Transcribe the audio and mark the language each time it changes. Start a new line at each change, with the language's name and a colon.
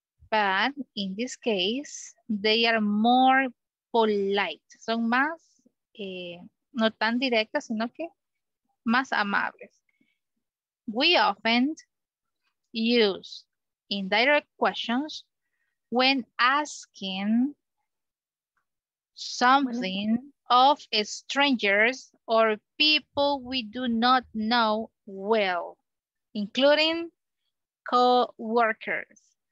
English: But in this case, they are more polite.
Spanish: Son más, no tan directas, sino que más amables.
English: We often use indirect questions when asking something of strangers or people we do not know well, including co-workers.